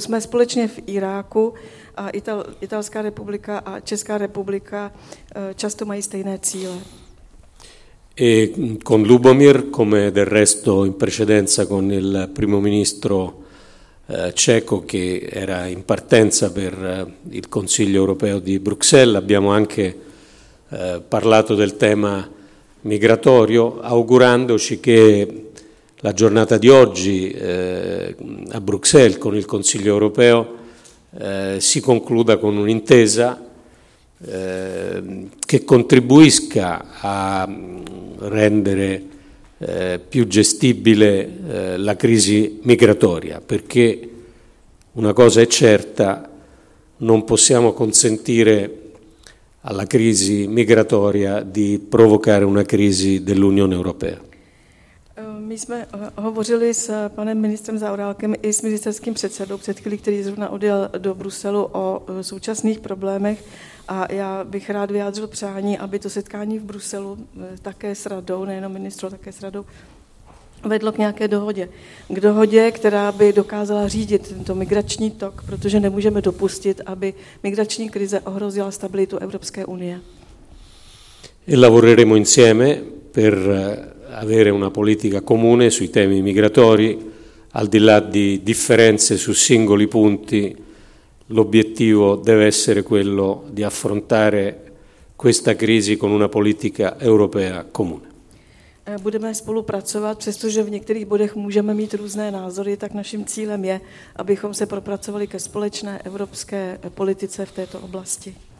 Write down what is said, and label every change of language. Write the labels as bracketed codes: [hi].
[cs] Jsme společně v Iráku a Italská republika a Česká republika často mají stejné cíle. [it] E con Lubomir, come del resto in precedenza con il primo ministro ceco che era in partenza per il Consiglio europeo di Bruxelles, abbiamo anche parlato del tema migratorio, augurandoci che la giornata di oggi a Bruxelles con il Consiglio europeo si concluda con un'intesa che contribuisca a rendere più gestibile la crisi migratoria, perché una cosa è certa, non possiamo consentire alla crisi migratoria di provocare una crisi dell'Unione Europea. [cs] My jsme hovořili s panem ministrem Zaorálkem i s ministerským předsedou před chvíli, který zrovna odjel do Bruselu o současných problémech a já bych rád vyjádřil přání, aby to setkání v Bruselu také s radou, nejenom ministru, také s radou, vedlo k nějaké dohodě. K dohodě, která by dokázala řídit tento migrační tok, protože nemůžeme dopustit, aby migrační krize ohrozila stabilitu Evropské unie. [it] E lavoreremo insieme per avere una politica comune sui temi migratori, al di là di differenze su singoli punti, l'obiettivo deve essere quello di affrontare questa crisi con una politica europea comune. [cs] Budeme spolupracovat, přestože v některých bodech můžeme mít různé názory, tak naším cílem je, abychom se propracovali ke společné evropské politice v této oblasti.